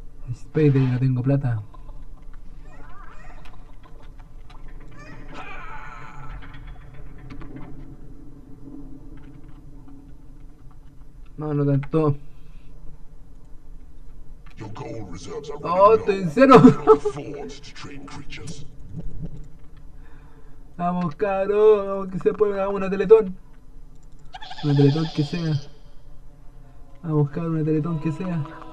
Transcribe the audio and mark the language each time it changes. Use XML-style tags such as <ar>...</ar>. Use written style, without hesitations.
<es>Es payday, no tengo plata. No, no tanto.</es> <en>Your gold reserves are running low.</en> <es>Oh, estoy en cero.</es> <en>Afford to train creatures.</en> <es>Vamos, caro, vamos, que se puede, hagamos una teletón. Una teletón que sea. Vamos, caro, una teletón que sea.</es>